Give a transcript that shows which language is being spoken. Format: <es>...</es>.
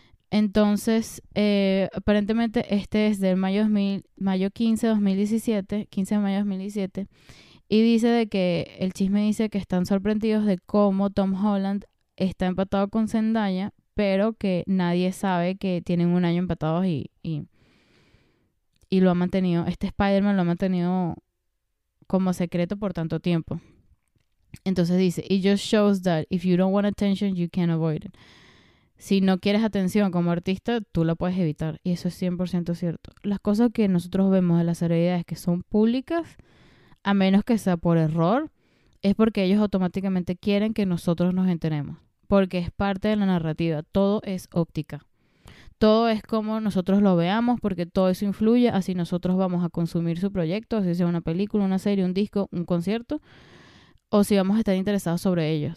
<es>Entonces, aparentemente este es del mayo 15 de mayo de 2017, y dice de que el chisme dice que están sorprendidos de cómo Tom Holland está empatado con Zendaya, pero que nadie sabe que tienen un año empatados y lo ha mantenido, este Spider-Man lo ha mantenido como secreto por tanto tiempo.</es> <en>Entonces dice: It just shows that if you don't want attention, you can't avoid it.</en> <es>Si no quieres atención como artista, tú la puedes evitar. Y eso es 100% cierto. Las cosas que nosotros vemos de las celebridades que son públicas, a menos que sea por error, es porque ellos automáticamente quieren que nosotros nos enteremos. Porque es parte de la narrativa. Todo es óptica. Todo es como nosotros lo veamos, porque todo eso influye a si nosotros vamos a consumir su proyecto, así sea una película, una serie, un disco, un concierto, o si vamos a estar interesados sobre ellos.</es>